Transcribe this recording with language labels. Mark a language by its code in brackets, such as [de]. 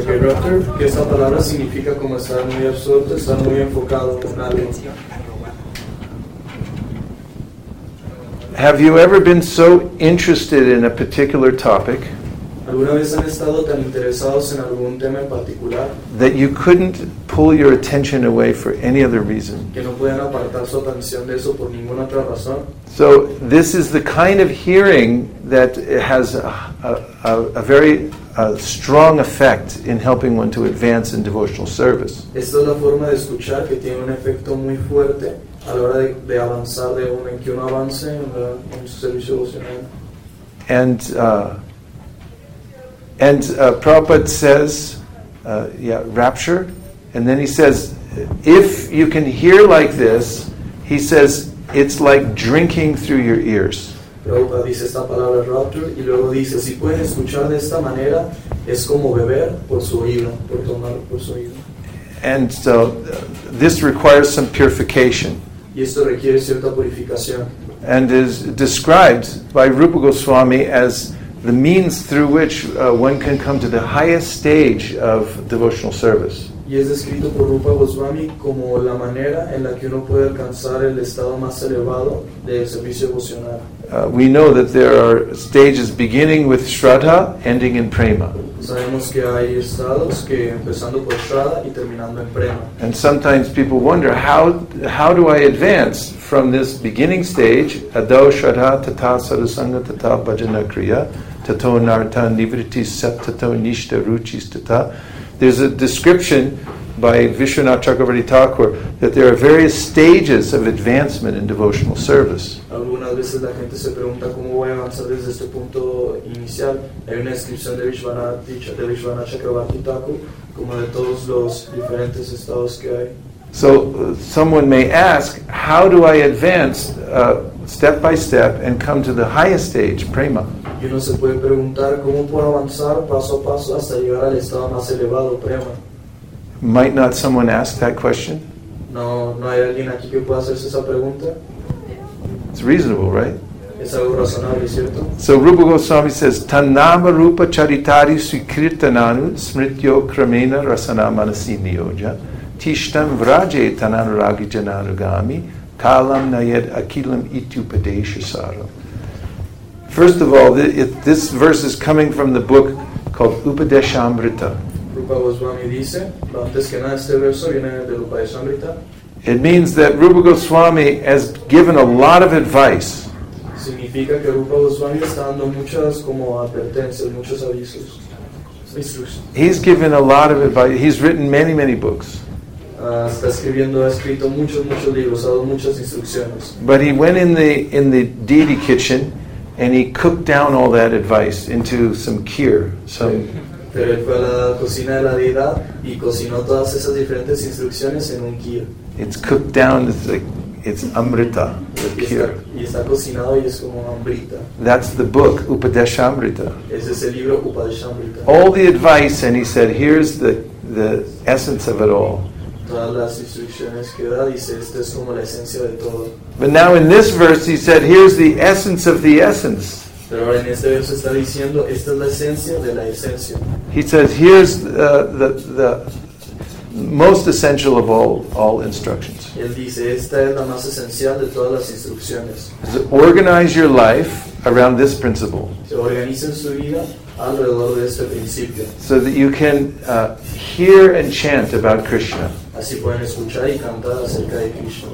[es] Okay, Raptor, que esa palabra significa como estar muy absorto, estar muy enfocado en algo. [en] Have you ever been so interested in a particular topic that you couldn't pull your attention away for any other reason? So this is the kind of hearing that has a very strong effect in helping one to advance in devotional service. [es] Esta es la forma de escuchar que tiene un efecto muy fuerte a la hora de avanzar, de un, en que uno avance en su servicio devocional. [en] And Prabhupada says, rapture. And then he says, if you can hear like this, he says, it's like drinking through your ears. [es] Prabhupada dice esta palabra rapture, y luego dice, si puedes escuchar de esta manera, es como beber por su oído, por tomar por su oído. [en] And so this requires some purification. [es] Y esto requiere cierta purificación. [en] And is described by Rupa Goswami as the means through which one can come to the highest stage of devotional service. [es] Y es descrito por Rupa Goswami como la manera en la que uno puede alcanzar el estado más elevado de servicio devocional. [en] We know that there are stages beginning with Shraddha, ending in Prema. [es] Sabemos que hay estados que empezando por Shraddha y terminando en Prema. [en] And sometimes people wonder, how do I advance from this beginning stage, [sa] Adau Shraddha Tata Sarasanga Tata Bhajana Kriya Tato Narta Nivritti Sat Tato Nishta Ruchis Tata. [en] There's a description by Vishwanath Chakravarti Thakur that there are various stages of advancement in devotional service. [es] Algunas veces la gente se pregunta cómo voy a avanzar desde este punto inicial. Hay una descripción de Vishwanath Chakravarti Thakur como de todos los diferentes estados que hay. [en] So someone may ask, how do I advance step by step and come to the highest stage, prema? [es] Y uno se puede preguntar cómo puedo avanzar paso a paso hasta llegar al estado más elevado, prema. [en] Might not someone ask that question? [es] No hay alguien aquí que pueda hacerse esa pregunta. [en] It's reasonable, right? [es] Es algo razonable, ¿cierto? [en] So Rupa Goswami says, [sa] Tannama Rupa Charitari Svikirtananu Smrityo Kramena Rasana Manasi Niyoja Tishtam Vraje Tananuragi Jananugami Kalam Nayed Akilam Itupadeshasaram. [en] First of all, this verse is coming from the book called Upadeshamrita. [es] Rupa Goswami dice, antes que nada, este verso viene de Upadeshamrita. [en] It means that Rupa Goswami has given a lot of advice. [es] Significa que Rupa Goswami está dando muchas como advertencias, muchos avisos, instrucciones. [en] He's given a lot of advice. He's written many, many books. [es] Ha escrito muchos libros, ha dado muchas instrucciones. [en] But he went in the deity kitchen and he cooked down all that advice into some kheer, some. [es] Pero él fue a la cocina de la deidad y cocinó todas esas diferentes instrucciones en un kheer. [en] It's cooked down, it's amrita, the kheer. [es] Y está cocinado y es como amrita. [en] That's the book, Upadeshamrita. [es] Ese es el libro, Upadeshamrita. [en] All the advice, and he said, here's the essence of it all. [es] Todas las instrucciones que da, dice, esto es como la esencia de todo. [en] But now in this verse he said, here's the essence of the essence. [es] Pero ahora en este verso está diciendo, esta es la esencia de la esencia. [en] He says, here's the most essential of all instructions. [es] Él dice, esta es la más esencial de todas las instrucciones. [en] Organize your life around this principle. [es] Se organizan su vida alrededor de este principio. [en] So that you can hear and chant about Krishna. [es] Así pueden escuchar y cantar acerca de Krishna.